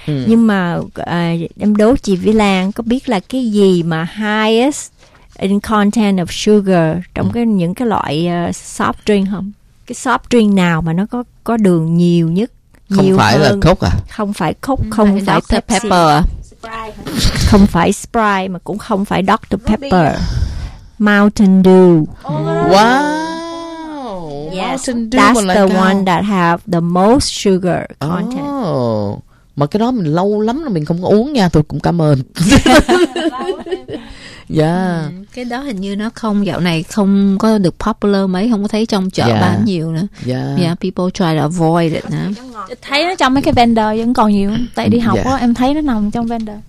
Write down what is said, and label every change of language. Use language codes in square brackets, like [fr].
[vi] Nhưng mà em đố chị Vi Lan có biết là cái gì mà [en] highest in content of sugar [vi] trong cái những cái loại soft drink không? Cái soft drink nào mà nó có đường nhiều nhất? Không nhiều phải hơn, là Coke à? Không phải Coke, không phải Dr. Pepper. Không phải Sprite mà cũng không phải Dr. Pepper. Mountain Dew. [en] What? Yes, that's the one that have the most sugar content. [vi] Oh, mà cái đó mình lâu lắm rồi mình không có uống nha, tôi cũng cảm ơn. [en] Yeah. [vi] Cái đó hình như nó không, dạo này không có được popular mấy, không có thấy trong chợ bán nhiều nữa. [en] Yeah, people try to avoid it nữa. [vi] Thấy nó trong mấy cái vendor vẫn còn nhiều, tại đi học á, em thấy nó nằm trong vendor.